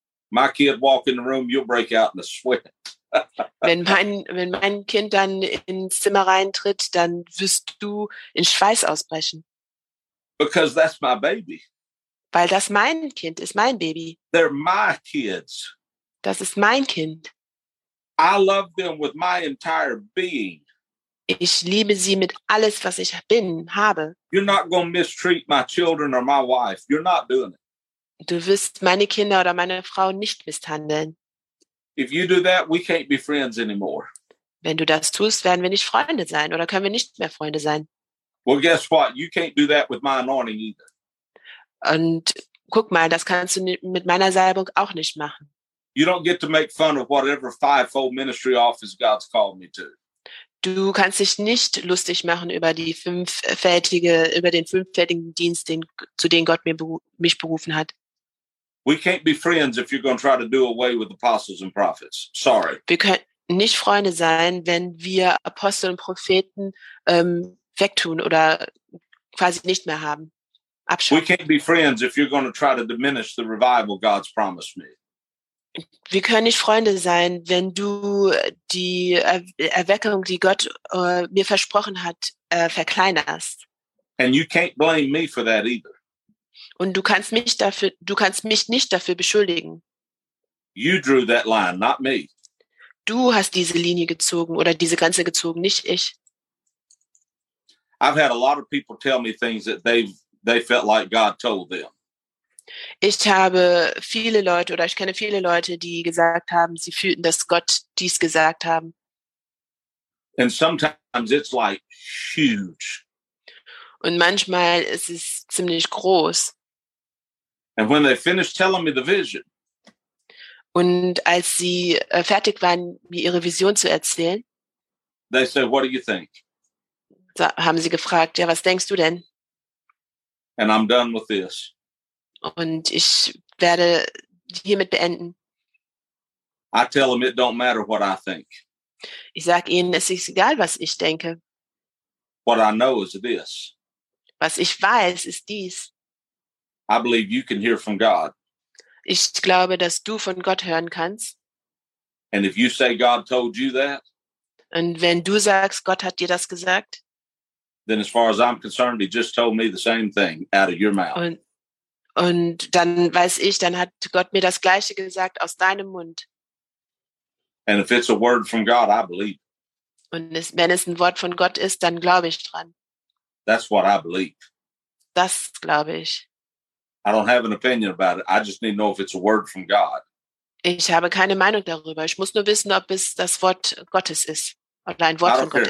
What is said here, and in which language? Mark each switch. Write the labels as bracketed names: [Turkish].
[English] My kid walk in the room, you'll break out in a sweat. [German] wenn mein Kind dann ins Zimmer reintritt, dann wirst du in Schweiß ausbrechen. [English] Because that's my baby. [German] Weil das mein Kind ist, mein Baby. [English] They're my kids. [German] Das ist mein Kind. [English] I love them with my entire being. [German] Ich liebe sie mit alles, was ich bin, habe. [English] You're not going to mistreat my children or my wife. You're not doing it. [German] Du wirst meine Kinder oder meine Frau nicht misshandeln. [English] If you do that, we can't be friends anymore. [German] Wenn du das tust, werden wir nicht Freunde sein oder können wir nicht mehr Freunde sein. [English] Well, guess what? You can't do that with my anointing either. [German] Und guck mal, das kannst du mit meiner Salbung auch nicht machen. [English] You don't get to make fun of whatever fivefold ministry office God's called me to. [German] Du kannst dich nicht lustig machen über den fünffältigen Dienst, zu dem Gott mich berufen hat. [English] We can't be friends if you're going to try to do away with apostles and prophets. Sorry. [German] Wir können nicht Freunde sein, wenn wir Apostel und Propheten wegtun oder quasi nicht mehr haben. [English] Abschaffen. We can't be friends if you're going to try to diminish the revival God's promised me. [German] Wir können nicht Freunde sein, wenn du die Erweckung, die Gott mir versprochen hat, verkleinerst. [English] And you can't blame me for that either. [German] Und du kannst mich nicht dafür beschuldigen. [English] You drew that line, not me. [German] Du hast diese Linie gezogen oder diese Grenze gezogen, nicht ich. [English] I've had a lot of people tell me things that they felt like God told them. [German] Ich habe viele Leute oder ich kenne viele Leute, die gesagt haben, sie fühlten, dass Gott dies gesagt haben. [English] And sometimes it's like huge. [German] Und manchmal ist es ziemlich groß. [English] And when they finished telling me the vision. [German] Und als sie fertig waren, mir ihre Vision zu erzählen. [English] They said, what do you think? [German] Da haben sie gefragt, ja, was denkst du denn? [English] And I'm done with this. [German] Und ich werde hiermit beenden. [English] I tell them it don't matter what I think. [German] Ich sage ihnen, es ist egal, was ich denke. [English] What I know is this. [German] Was ich weiß, ist dies. [English] I believe you can hear from God. [German] Ich glaube, dass du von Gott hören kannst. [English] And if you say God told you that, [German] und wenn du sagst, Gott hat dir das gesagt, [English] then as far as I'm concerned, he just told me the same thing out of your mouth. [German] Und dann weiß ich, dann hat Gott mir das Gleiche gesagt aus deinem Mund. [English] And if it's a word from God, I believe. [German] Und wenn es ein Wort von Gott ist, dann glaube ich dran. [English] That's what I believe. [German] Das glaube ich. [English] I don't have an opinion about it. I just need to know if it's a word from God. [German] Ich habe keine Meinung darüber. Ich muss nur wissen, ob es das Wort Gottes ist. Oder ein Wort von Gott ist.